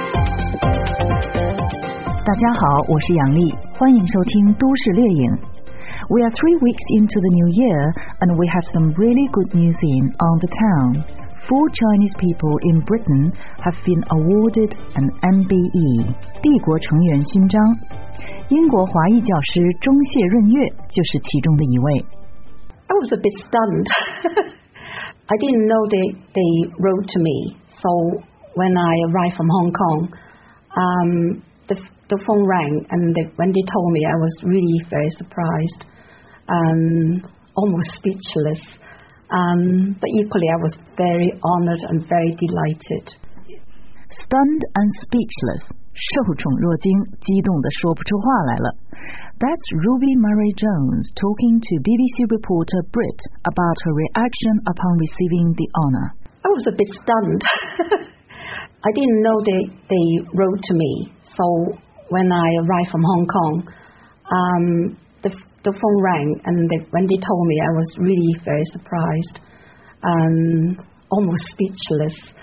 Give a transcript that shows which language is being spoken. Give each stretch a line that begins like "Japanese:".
Chinese: 大家好，我是杨丽，欢迎收听都市猎影。
English: We are 3 weeks into the new year, and we have some really good news in on the town. 4 Chinese people in Britain have been awarded an MBE,
Chinese: 帝国成员勋章。英国华裔教师钟谢润月就是其中的一位。
English: I was a bit stunned. I didn't know they wrote to me. So when I arrived from Hong Kong, the phone rang, and when they told me, I was really very surprised, almost speechless. But equally, I was very honored and very delighted. Stunned and speechless.
Chinese: 受宠若惊，激动得说不出话来了。
English: That's Ruby Murray Jones talking to BBC reporter Britt about her reaction upon receiving the honor. I was a bit stunned. I didn't know they wrote to me. So when I arrived from Hong Kong, the phone rang, and when they told me, I was really very surprised, almost speechless.